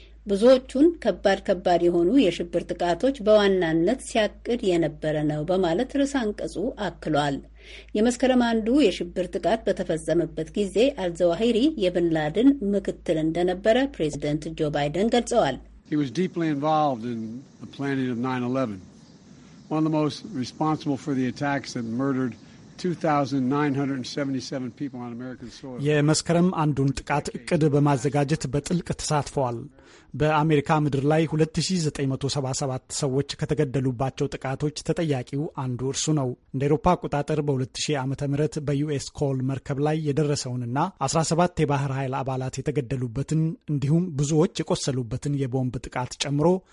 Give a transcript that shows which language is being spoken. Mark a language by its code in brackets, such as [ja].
[am] ብዙዎቹን ከባድ የሆኑ የሽብር ጥቃቶች በዋናነት ሲያቅድ የነበረ ነው በማለት ርዕሰ አንቀጹ አክሏል። የመስከረም አንዱ የሽብር ጥቃት በተፈጸመበት ጊዜ አልዘዋሂሪ የቢንላደን ምክትል እንደነበረ ፕሬዚደንት ጆ ባይደን ገልጸዋል። [en] He was deeply involved in the planning of 9/11. One of the most responsible for the attacks that murdered 2,977 people on American soil. [am] የመስከረም አንዱን ጥቃት እቅድ በማዘጋጀት በጥልቅ ተሳትፈዋል። በአሜሪካ ምድር ላይ 2,977 ሰዎች ከተገደሉባቸው ጥቃቶች ተጠያቂው አንዱ እርሱ ነው። እንደ አውሮፓ አቆጣጠር በ2000 ዓመተ ምህረት በዩኤስ ኮል መርከብ ላይ የደረሰውንና 17 የባህር ኃይል አባላት የተገደሉበትን እንዲሁም ብዙዎች የቆሰሉበትን የቦምብ ጥቃት ጨምሮ